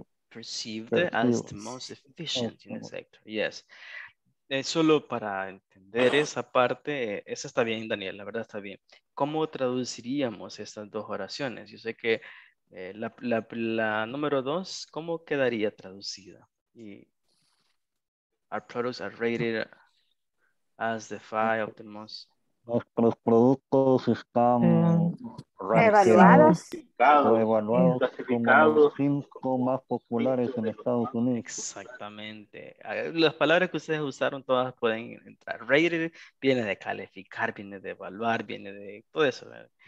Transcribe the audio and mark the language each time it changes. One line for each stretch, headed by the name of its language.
English: perceived as the most efficient in the sector. Yes.
Spanish: Solo para entender esa parte, esa está bien, Daniel, la verdad está bien. ¿Cómo traduciríamos estas dos oraciones? Yo sé que la número dos, ¿cómo quedaría traducida?
English: Y our products are rated as the five of the most.
Spanish: Nuestros productos están evaluados como los cinco más populares en Estados Unidos. Exactamente. Las palabras que ustedes usaron todas pueden entrar. Rated viene de calificar, viene de evaluar, viene de todo eso, ¿verdad?